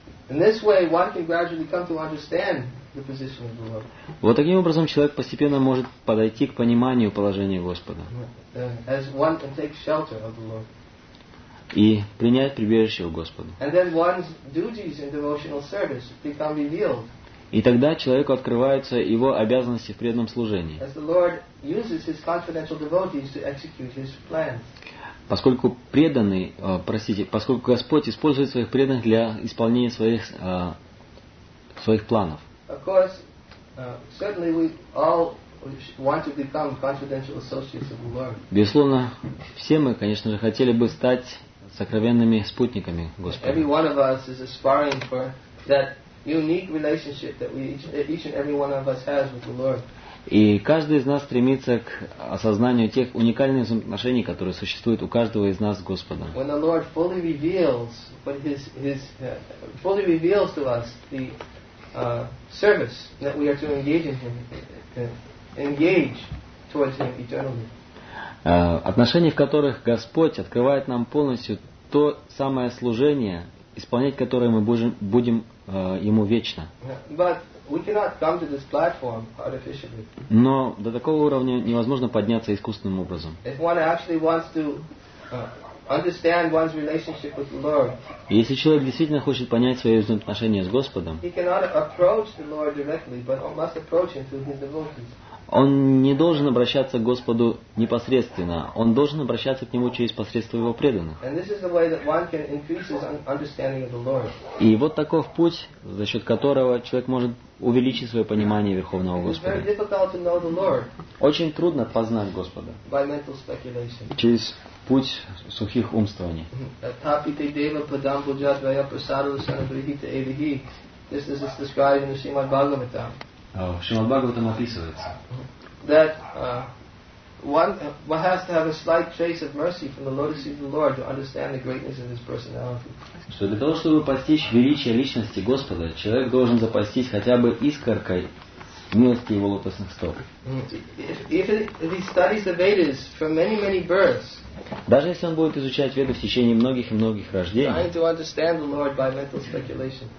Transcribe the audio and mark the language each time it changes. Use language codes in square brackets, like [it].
[en] In this way, one can gradually come to understand the position of the Lord. [ru] Вот таким образом человек постепенно может подойти к пониманию положения Господа. [en] As one can take shelter of the Lord. [ru] И принять прибежище у Господа. [en] And then one's duties in devotional service become revealed. [ru] И тогда человеку открываются его обязанности в преданном служении. [en] As the Lord uses his confidential devotees to execute his plans. [ru] Поскольку Господь использует своих преданных для исполнения своих планов. [en] Of course, certainly we all want to become confidential associates of the Lord. [ru] Безусловно, все мы, конечно же, хотели бы стать сокровенными спутниками Господа. [en] Every one of us is aspiring for that unique relationship that we each and every one of us has with the Lord. [ru] И каждый из нас стремится к осознанию тех уникальных взаимоотношений, которые существуют у каждого из нас с Господом. [en] When the Lord fully reveals, fully reveals to us the service that we are to engage towards Him eternally. [ru] Отношения, в которых Господь открывает нам полностью то самое служение, исполнять которое мы будем Ему вечно. [en] We cannot come to this platform artificially. [ru] Но до такого уровня невозможно подняться искусственным образом. [en] If one actually wants to understand one's relationship with the Lord, [ru] если человек действительно хочет понять свои взаимоотношения с Господом, [en] he cannot approach the Lord directly, but must approach Him through His devotees. [ru] Он не должен обращаться к Господу непосредственно. Он должен обращаться к Нему через посредство Его преданных. [en] And this is the way that one can increase his understanding of the Lord. [ru] И вот таков путь, за счет которого человек может увеличить свое понимание Верховного Господа. [en] It is very difficult to know the Lord. [ru] Очень трудно познать Господа. [en] By mental speculation. [ru] Через путь сухих умствований. [sa] Атапите дева падам буджа двая прасаду санабрихита эвихи. [en] This is described in the Srimad Bhagavatam. [ru] Шримад-Бхагаватам описывается. [en] That one has to have a slight trace of mercy from the lotus feet of the Lord to understand the greatness of His personality. [ru] Что для того, чтобы постичь величие личности Господа, человек должен запастись хотя бы искоркой милости Его лотосных стоп. [en] If he studies the Vedas from many births, [ru] даже если он будет изучать Веды в течение многих и многих рождений, [en] trying to understand the Lord by mental speculation,